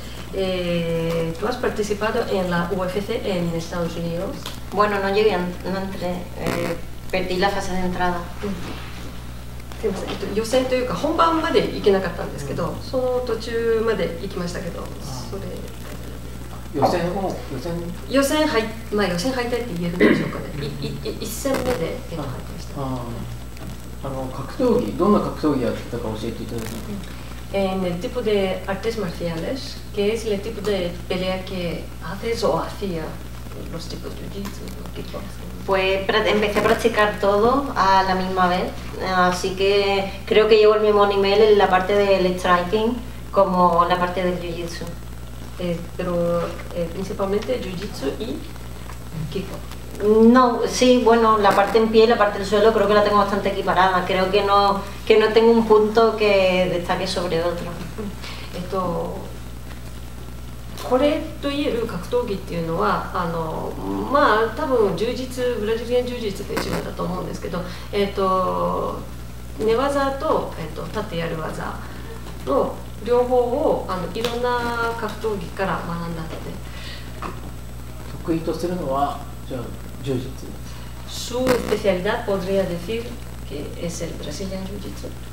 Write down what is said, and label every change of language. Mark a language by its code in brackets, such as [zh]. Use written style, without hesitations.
[es] ¿Tú has participado en la UFC en Estados Unidos? Bueno, no llegué, no entré, perdí la fase de entrada. [ja] すみません、予選というか本番まで行けなかったんですけど、その途中まで行きましたけど、それ。予選を、予選入って言えるんでしょうかね。一戦目で入りました。格闘技、どんな格闘技やってたか教えていただけますか。 [es] El tipo de artes marciales, que es el tipo de pelea que haces o hacía los tipos de jiu-jitsu, Pues empecé a practicar todo a la misma vez, así que creo que llevo el mismo nivel en la parte del striking como la parte del jiu-jitsu. Pero principalmente jiu-jitsu y kickbox. No, sí, bueno, la parte en pie y la parte del suelo creo que la tengo bastante equiparada. Creo que no tengo un punto que destaque sobre otro. Esto... [ja] これという格闘技っていうのは、多分柔術、ブラジリアン柔術って一番だと思うんですけど、寝技と立ってやる技の両方をいろんな格闘技から学んだので。得意とするのは、じゃあ柔術。 [es] Su especialidad podría decir que es el Brazilian Jiu-Jitsu.